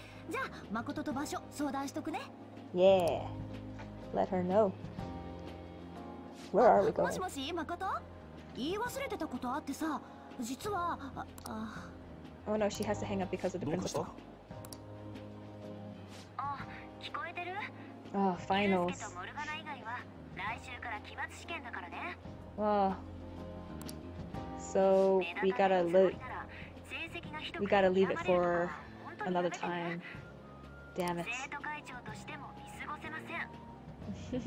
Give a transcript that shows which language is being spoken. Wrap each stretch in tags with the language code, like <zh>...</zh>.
<ja>じゃあ誠と場所相談しとくね。</ja> <en>Yeah, let her know. Where are we going?</en> <ja>もしもし、誠？言い忘れてたことあってさ。実は、</ja> <en>Oh no, she has to hang up because of the principal.</en> <ja>あ、聞こえてる？</ja> <en>あ、finals.</en> <ja>ユースケとモルガナ以外は来週から期末試験だからね。</ja> <en>わあ。So we gotta leave. We gotta leave it for another time. Damn it.</en> <ja>生徒会長としても見過ごせません。</ja>